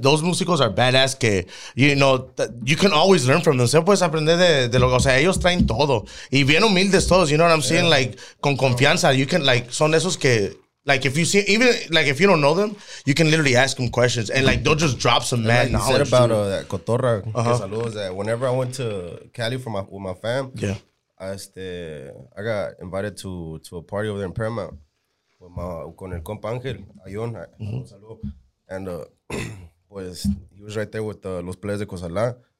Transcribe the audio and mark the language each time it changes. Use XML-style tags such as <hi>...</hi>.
<en>Those músicos are badass que, you know, you can always learn from them.</en> <es>Se puedes aprender de lo que, o sea, ellos traen todo. Y bien humildes todos,</es> <en>you know what I'm saying? Yeah. Like,</en> <es>con confianza,</es> <en>you can, like,</en> <es>son esos que...</es> <en>Like, if you see, even, like, if you don't know them, you can literally ask them questions. And, like, they'll just drop some mad knowledge. You said about that cotorra,</en> <es>que saludos,</es> <en>that whenever I went to Cali with my fam, yeah. I got invited to a party over there in Paramount with</en> <es>con el compa</es> <en>Ángel, Ayon, and, pues, he was right there with los players de Cosalá.</en>